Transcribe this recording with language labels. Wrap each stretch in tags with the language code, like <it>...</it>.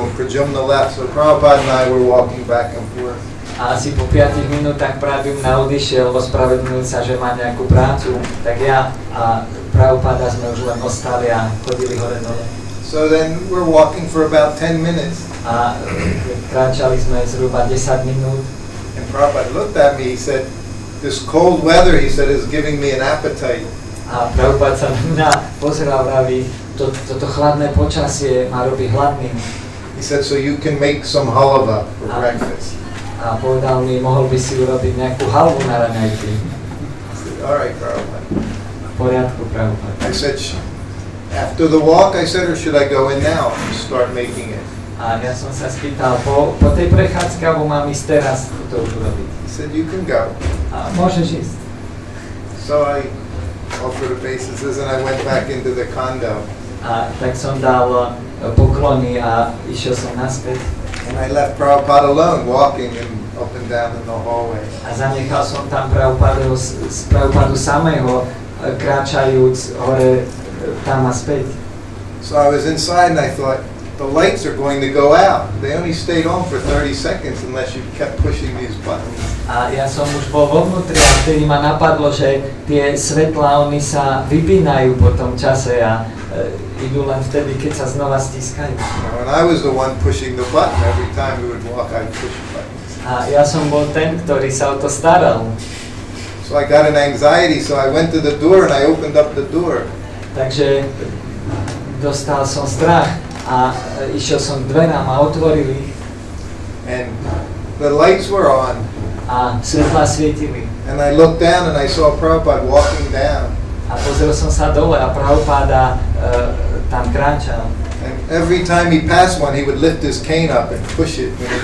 <en>And Prajumna left, so Prabhupada and I were walking back and forth.</en> <sk>A asi po 5 minútach Prabhupada odišiel, ospravedlnil sa, že má nejakú prácu, tak ja a Prabhupada sme už len ostali a chodili hore dole.</sk> <en>So then we're walking for about 10 minutes.</en> <sk>A kráčali sme zhruba 10 minút.</sk> <en>And Prabhupada looked at me, he said, this cold weather, he said, is giving me an appetite.</en> <sk>A Prabhupada sa na mňa pozeral, vraví, toto chladné počasie ma robí hladným.</sk> <en>He said, so you can make some halva for breakfast.</en> <sk>A povedal mi, mohol by si urobiť nejakú halvu na raňajky.</sk> <en>All right, Prabhupada.</en> <sk>V poriadku, Prabhupada.</sk> <en>I said, after the walk, I said, or should I go in now and start making it?</en> <sk>A ja som sa spýtal, po tej prechádzke, alebo mám ísť teraz to urobiť?</sk> <en>He said, you can go.</en> <sk>A môžeš ísť.</sk> <en>So I offered obeisances and I went back into the condo.</en> <sk>A tak som dal poklony a išiel som naspäť.</sk> <en>And I left Prabhupada alone, walking him up and down in the hallway.</en> <sk>A zanechal som tam Prabhupadu samého, kráčajúc hore tam a späť.</sk> <en>So I was inside and I thought, the lights are going to go out. They only stayed on for 30 seconds unless you kept pushing these buttons.</en> <sk>A ja som už bol vo vnútri a vtedy ma napadlo, že tie svetlá, oni sa vypínajú po tom čase a idú len vtedy, keď sa znova stiskajú.</sk> <en>And I was the one pushing the button. Every time we would walk, I'd push the button.</en> <sk>A ja som bol ten, ktorý sa o to staral.</sk> <en>So I got an anxiety, so I went to the door and I opened up the door.</en> <sk>Takže dostal som strach a išiel som k dverám a otvoril ich.</sk> <en>And the lights were on.</en> <sk>A svetlá svietili.</sk> <en>And I looked down and I saw Prabhupada walking down.</en> <sk>A pozrel som sa dole a Prabhupada tam kráčal.</sk> <en>And every time he passed one, he would lift his cane up and push it.</en>